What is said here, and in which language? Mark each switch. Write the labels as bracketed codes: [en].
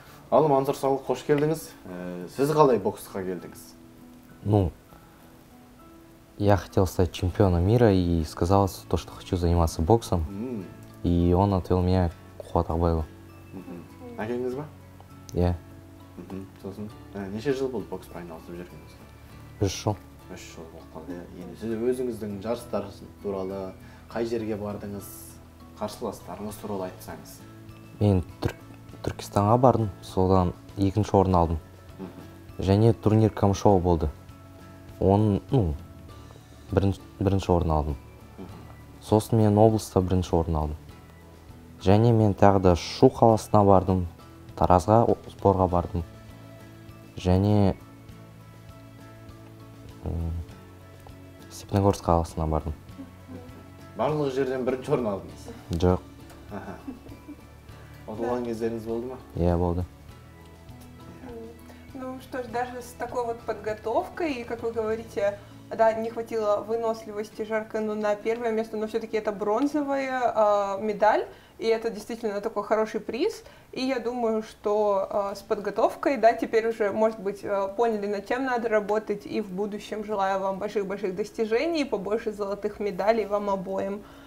[kk] Ал, Мансұр, сау, қош келдіңіз. Сіз қалай боксқа келдіңіз? [ru] Я хотел стать чемпионом мира и сказал, что хочу заниматься боксом. И он отвел меня к Қуат Ағыбайұлы. [kk] Әкеңіз ба? Иә. Сосын, неше жыл болды бокспен айналысып жүргеніңіз? 3 жыл. 3 жыл болды қалды. Енді сіз өзіңіздің жарыстар туралы, қай жерге бардыңыз, қарсыластарыңыз туралы айтсаңыз? Мен Түркістанға бардым, содан екінші орын алдым. Және турнир Камышова болды. Бірінші орын алдым. Сосын мен облыста бірінші орын алдым. Және мен тағы да Шу қаласына бардым. Таразға, спорға бардым. Және Степногорск қаласына бардым. Барлық жерден бірінші орын алдыңыз? Жоқ. Отылған кездеріңіз болды ма? Иә, болды. [ru] Что ж, даже с такой вот подготовкой, как вы говорите, да, не хватило выносливости, жарко, но на первое место, но все-таки это бронзовая медаль, и это действительно такой хороший приз. И я думаю, что с подготовкой, да, теперь уже, может быть, поняли, над чем надо работать, и в будущем желаю вам больших-больших достижений, побольше золотых медалей вам обоим.